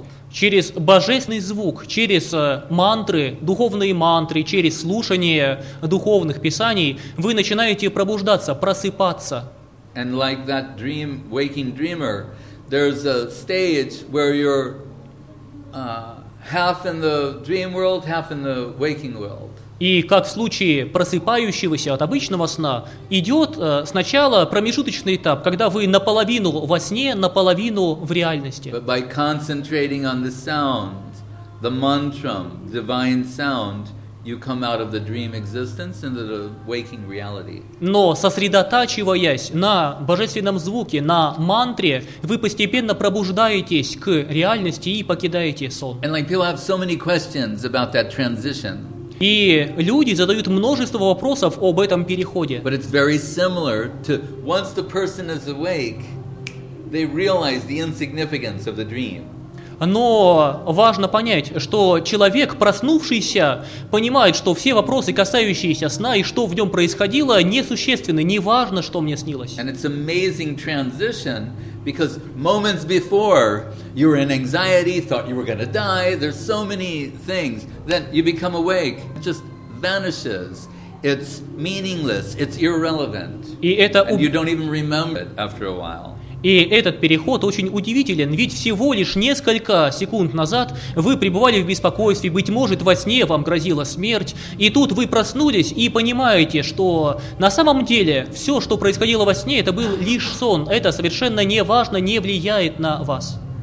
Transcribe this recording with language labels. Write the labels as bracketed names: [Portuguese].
[Russian] Через божественный звук, через мантры, духовные мантры, через слушание духовных писаний вы начинаете пробуждаться, просыпаться. [English] And like that dream, waking dreamer, there's a stage where you're half in the dream world, half in the waking world. [Russian] И как в случае просыпающегося от обычного сна, идет сначала промежуточный этап, когда вы наполовину во сне, наполовину в реальности. [English] But by concentrating on the sound, the mantra, divine sound, you come out of the dream existence into the waking reality. [Russian] Но сосредотачиваясь на божественном звуке, на мантре, вы постепенно пробуждаетесь к реальности и покидаете сон. [English] And like people have so many questions about that transition. [Russian] И люди задают множество вопросов об этом переходе. [English] But it's very similar to once the person is awake, they realize the insignificance of the dream. [Russian] Но важно понять, что человек, проснувшийся, понимает, что все вопросы, касающиеся сна и что в нем происходило, несущественны, не важно, что мне снилось. [English] And it's amazing transition, because moments before you were in anxiety, thought you were going to die, there's so many things, then you become awake, it just vanishes. It's meaningless, it's irrelevant. And you don't even remember it after a while. [Russian] И этот переход очень удивителен, ведь всего лишь несколько секунд назад вы пребывали в беспокойстве, быть может, во сне вам грозила смерть, и тут вы проснулись и понимаете, что на самом деле все, что происходило во сне, это был лишь сон, это совершенно не важно, не влияет на вас.